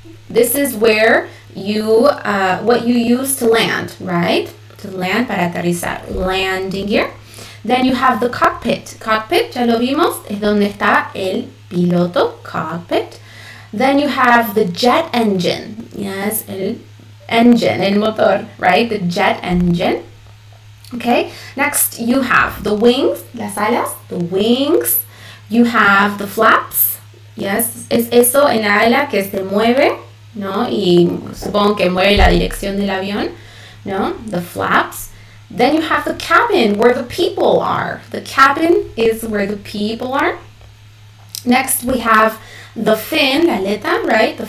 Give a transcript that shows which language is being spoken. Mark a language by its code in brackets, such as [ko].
[en] This is where what you use to land, right? To land, [es] para aterrizar. [en] Landing gear. Then you have the cockpit. [es] Cockpit, ya lo vimos, es donde está el piloto. [en] Cockpit. Then you have the jet engine. Yes, el engine, el motor, right? The jet engine. Okay, next you have the wings, las alas, the wings. You have the flaps. [es] Yes, es eso, el ala que se mueve. No, y supongo que mueve la dirección del avión, ¿no? [en] The flaps. Then you have the cabin where the people are. The cabin is where the people are. Next we have the fin, la aleta, right?